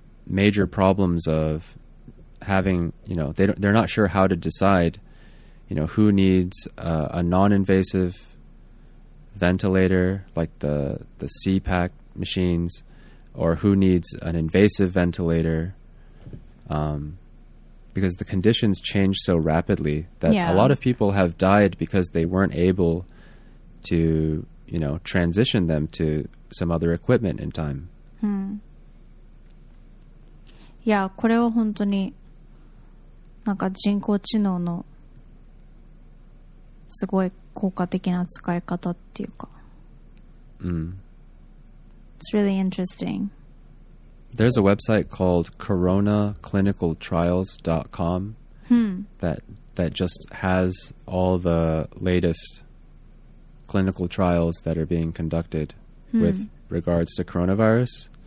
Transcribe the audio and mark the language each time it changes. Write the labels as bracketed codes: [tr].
[en] major problems of having, you know, they're not sure how to decide, you know, who needs a non-invasive ventilator like the CPAP machines, or who needs an invasive ventilator, because the conditions change so rapidly that a lot of people have died because they weren't able to, you know, transition them to some other equipment in time. [ja] いや、これは本当に、なんか人工知能のすごい効果的な使い方っていうか。 [en] It's really interesting. There's a website called coronaclinicaltrials.com that just has all the latest clinical trials that are being conducted with regards to coronavirus.